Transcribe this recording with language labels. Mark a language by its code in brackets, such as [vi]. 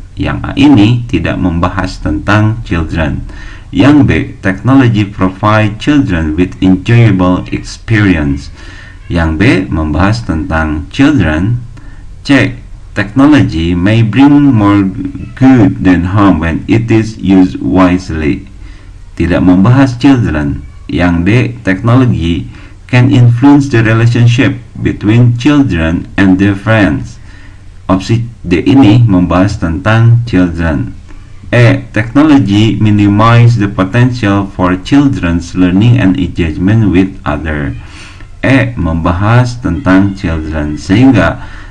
[id] Yang A ini tidak membahas tentang children. [en] Yang B, technology provide children with enjoyable experience. [id] Yang B membahas tentang children. [en] C, technology may bring more good than harm when it is used wisely. [id] Tidak membahas children. Yang D, [en] technology can influence the relationship between children and their friends. [id] Opsi D ini membahas tentang children. [en] E, technology minimize the potential for children's learning and engagement with other. E, [id] membahas tentang children. Sehingga